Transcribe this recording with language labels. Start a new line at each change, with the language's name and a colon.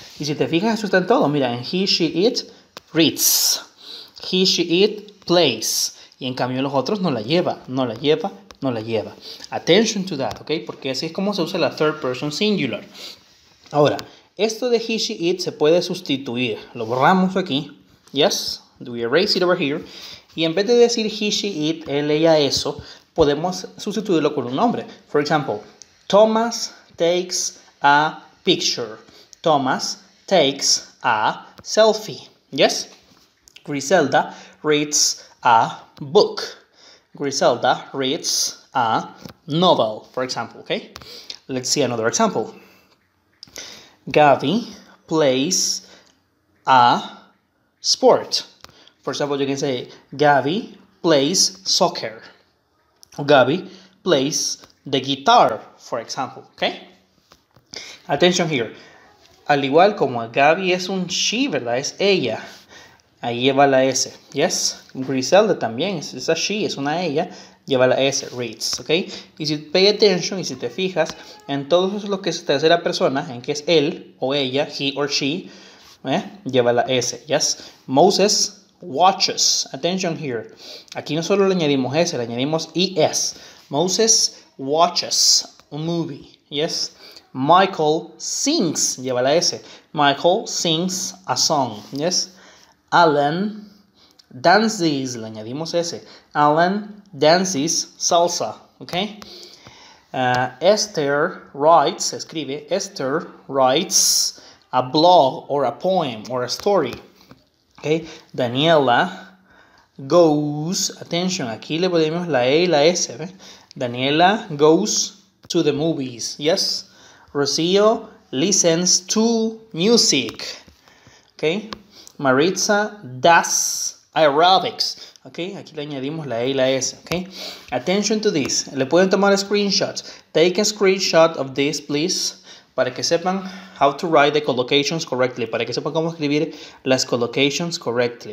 Spanish: Y si te fijas, eso está en todo. Mira, en
English: he, she, it, reads. He, she, it, plays.
Spanish: Y en cambio en los otros no la lleva, no la lleva, no la lleva.
English: Attention to that,
Spanish: ¿ok? Porque así es como se usa la
English: third person singular.
Spanish: Ahora, esto de he, she, it se puede sustituir. Lo borramos aquí.
English: Yes, do we erase it over here?
Spanish: Y en vez de decir
English: he, she, it,
Spanish: él, ella, eso, podemos sustituirlo con un nombre.
English: For example, Thomas takes a picture. Thomas takes a selfie. Yes? Griselda reads a book. Griselda reads a novel, for example. Okay? Let's see another example. Gabby plays a sport. For example, you can say, Gabby plays soccer. Gabby plays the guitar, for example. Okay? Attention here.
Spanish: Al igual como Gabby es un she, ¿verdad? Es ella. Ahí lleva la S.
English: Yes?
Spanish: Griselda también. Es a she, es una ella. Lleva la S,
English: reads,
Spanish: ¿ok? Y si
English: pay attention
Spanish: y si te fijas en todo lo que es tercera persona, en que es él o ella,
English: he or she,
Spanish: lleva la S, ¿yes?
English: Moses watches, attention here.
Spanish: Aquí no solo le añadimos S, le añadimos ES.
English: Moses watches a movie, ¿yes? Michael sings,
Spanish: lleva la S.
English: Michael sings a song, ¿yes? Alan dances,
Spanish: le añadimos S.
English: Alan dances salsa, ok. Esther writes,
Spanish: escribe,
English: Esther writes a blog or a poem or a story, ok. Daniela goes, attention,
Spanish: aquí le ponemos la E y la S, ¿eh?
English: Daniela goes to the movies, yes. Rocío listens to music, ok. Maritza does aerobics.
Spanish: Ok, aquí le añadimos la E y la S.
English: Ok, attention to this.
Spanish: Le pueden tomar screenshots.
English: Take a screenshot of this, please.
Spanish: Para que sepan
English: how to write the collocations correctly.
Spanish: Para que sepan cómo escribir las collocations
English: correctly.